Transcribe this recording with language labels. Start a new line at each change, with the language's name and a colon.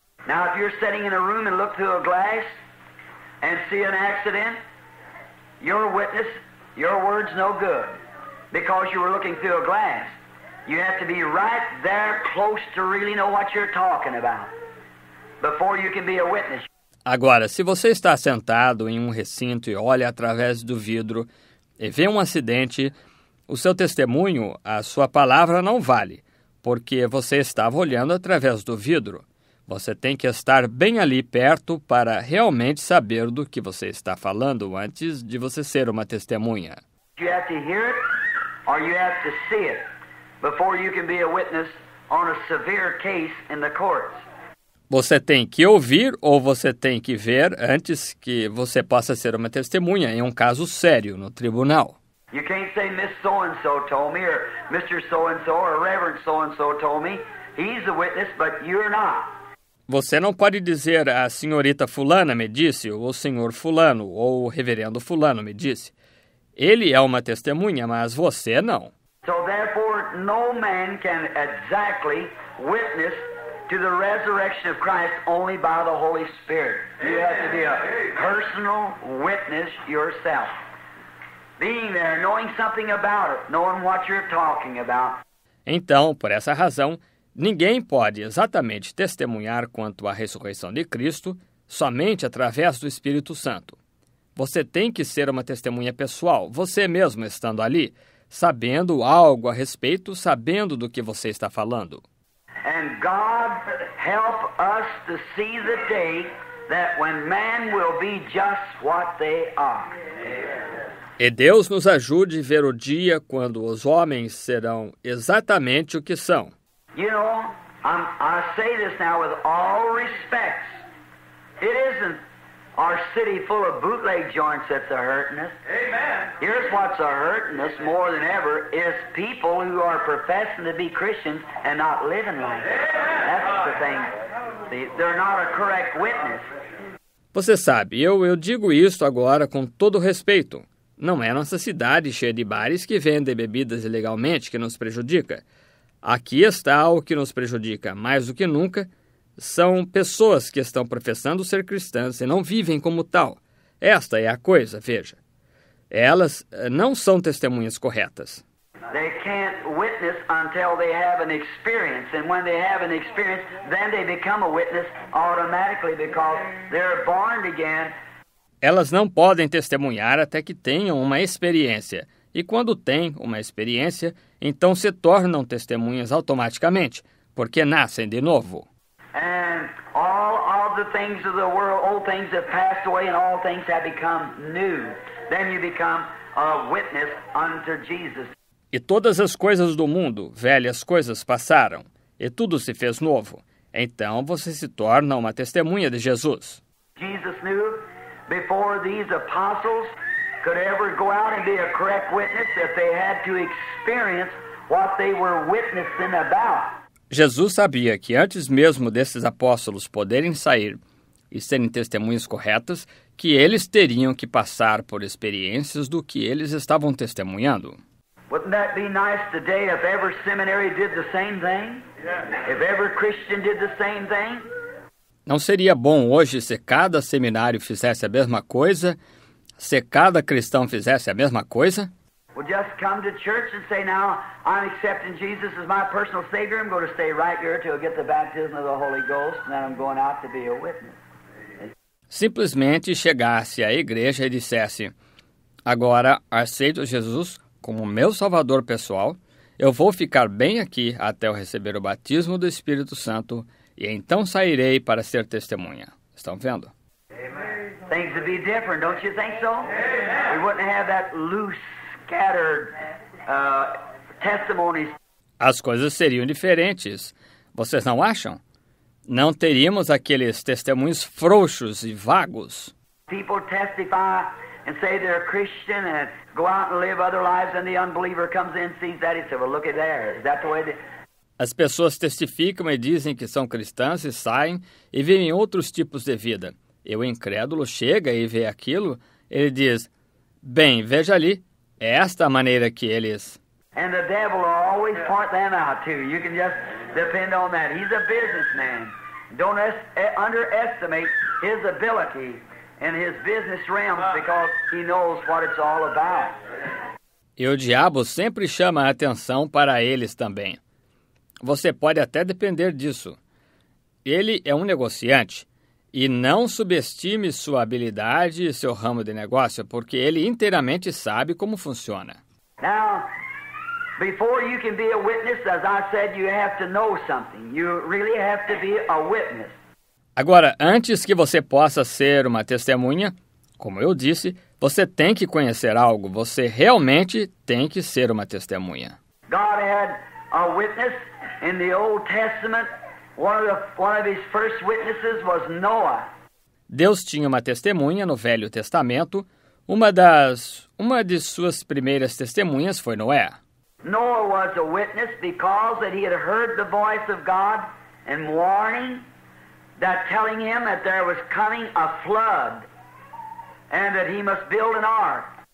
English: Now, if you're sitting in a room and look through a glass and see an accident, your witness, your word's no good. Because you were looking through a glass, you have to be right there close to really know what you're talking about before you can be a witness.
Portuguese: Agora, se você está sentado em um recinto e olha através do vidro e vê um acidente, o seu testemunho, a sua palavra não vale, porque você estava olhando através do vidro. Você tem que estar bem ali perto para realmente saber do que você está falando antes de você ser uma testemunha.
English: You have to hear it or you have to see it before you can be a witness on a severe case in the courts.
Portuguese: Você tem que ouvir ou você tem que ver antes que você possa ser uma testemunha em um caso sério no tribunal.
English: You can't say Miss So-and-so told me, or Mr. So-and-so, or Reverend So-and-so told me. He's a witness, but you're not.
Portuguese: Você não pode dizer a senhorita fulana me disse, ou o senhor fulano, ou o reverendo fulano me disse. Ele é uma testemunha, mas você não.
English: So therefore, no man can exactly witness to the resurrection of Christ only by the Holy Spirit. You have to be a personal witness yourself. Being there, knowing something about it, knowing what you're talking about.
Portuguese: Então, por essa razão, ninguém pode exatamente testemunhar quanto à ressurreição de Cristo somente através do Espírito Santo. Você tem que ser uma testemunha pessoal, você mesmo estando ali, sabendo algo a respeito, sabendo do que você está falando.
English: And God help us to see the day that when man will be just what they are.
Portuguese: E Deus nos ajude a ver o dia quando os homens serão exatamente o que são.
English: You know, I say this now with all respects. It isn't our city full of bootleg joints that's a hurting us. Amen. Here's what's a hurting us more than ever is people who are professing to be Christians and not living like that. That's the thing. They're not a correct witness.
Portuguese: Você sabe, eu digo isto agora com todo respeito. Não é nossa cidade cheia de bares que vendem bebidas ilegalmente que nos prejudica. Aqui está o que nos prejudica mais do que nunca. São pessoas que estão professando ser cristãs e não vivem como tal. Esta é a coisa, veja. Elas não são testemunhas corretas.
English: They can't witness until they have an experience. And when they have an experience, then they become a witness automatically because they're born again.
Portuguese: Elas não podem testemunhar até que tenham uma experiência. E quando têm uma experiência, então se tornam testemunhas automaticamente, porque nascem de novo.
English: And all of the things of the world, old things have passed away and all things have become new. Then you become a witness unto Jesus.
Portuguese: E todas as coisas do mundo, velhas coisas passaram, e tudo se fez novo. Então você se torna uma testemunha de Jesus.
English: Jesus knew before these apostles could ever go out and be a correct witness that they had to experience what they were witnessing about.
Portuguese: Jesus sabia que antes mesmo desses apóstolos poderem sair e serem testemunhas corretas, que eles teriam que passar por experiências do que eles estavam testemunhando.
English: Wouldn't that be nice today if every seminary did the same thing? Yeah. If every Christian did the same thing?
Portuguese: Não seria bom hoje se cada seminário fizesse a mesma coisa? Se cada cristão fizesse a mesma coisa?
English: Well, just come to church and say, now, I'm accepting Jesus as my personal Savior. I'm going to stay right here till I get the baptism of the Holy Ghost, and then I'm going out to be a witness.
Portuguese: Simplesmente chegasse à igreja e dissesse, agora aceito Jesus como meu Salvador pessoal, eu vou ficar bem aqui até eu receber o batismo do Espírito Santo e então sairei para ser testemunha. Estão vendo?
English: Things would be different, don't you think so? Amen. We wouldn't have that loose, scattered testimonies.
Portuguese: As coisas seriam diferentes. Vocês não acham? Não teríamos aqueles testemunhos frouxos e vagos.
English: People testify and say they're a Christian and go out and live other lives, and the unbeliever comes in, sees that, and says, well, look at there. Is that the way they...
Portuguese: As pessoas testificam e dizem que são cristãs e saem e vivem outros tipos de vida. E o incrédulo chega e vê aquilo, ele diz, bem, veja ali, é esta a maneira que eles...
English: And the devil will always point them out too. You can just depend on that. He's a businessman. Don't underestimate his ability and his business realm because he knows what it's all about.
Portuguese: E o diabo sempre chama a atenção para eles também. Você pode até depender disso. Ele é um negociante. E não subestime sua habilidade e seu ramo de negócio, porque ele inteiramente sabe como funciona.
English: Now, before you can be a witness, as I said, you have to know something. You really have to be a witness.
Portuguese: Agora, antes que você possa ser uma testemunha, como eu disse, você tem que conhecer algo. Você realmente tem que ser uma testemunha.
English: God had a witness in the Old Testament. One of his first witnesses was Noah.
Portuguese: Deus tinha uma testemunha no Velho Testamento. Uma de suas primeiras testemunhas foi Noé.
English: Noah was a witness because that he had heard the voice of God and warning, that telling him that there was coming a flood and that he must build an ark.